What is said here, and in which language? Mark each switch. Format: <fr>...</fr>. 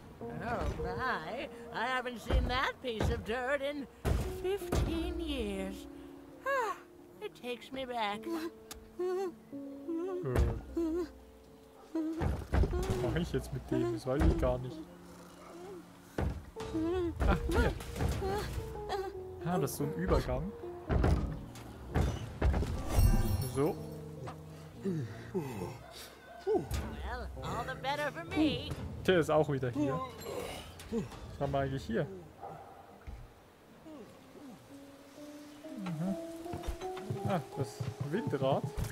<en>Oh my, I haven't seen that piece of dirt in 15 years. Ah, it takes me back.</en> <de>Was mache ich jetzt mit dem? Das weiß ich gar nicht. Ach, hier. Ah, das ist so ein Übergang. So.</de> <en>Well, all the better for me.</en> <de>Der ist auch wieder hier. Was haben wir eigentlich hier? Mhm. Ah, das Windrad.</de>